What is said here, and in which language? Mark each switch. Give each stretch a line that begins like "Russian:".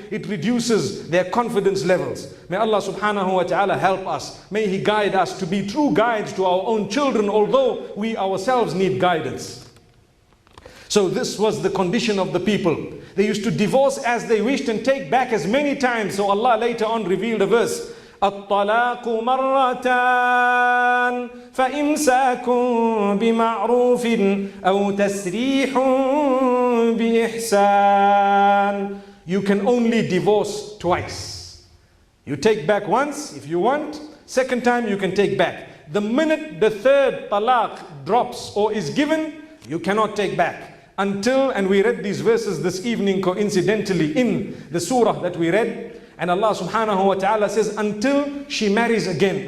English: It reduces their confidence levels. May Allah subhanahu wa ta'ala help us. May He guide us to be true guides to our own children, although we ourselves need guidance. So this was the condition of the people. They used to divorce as they wished and take back as many times. So Allah later on revealed a verse.
Arabic: الطلاق مرتان فإمساك بمعروف أو تسريح بإحسان.
English: You can only divorce twice. You take back once if you want. Second time you can take back. The minute the third talaq drops or is given, you cannot take back. Until, and we read these verses this evening coincidentally in the surah that we read, and Allah subhanahu wa ta'ala says, until she marries again.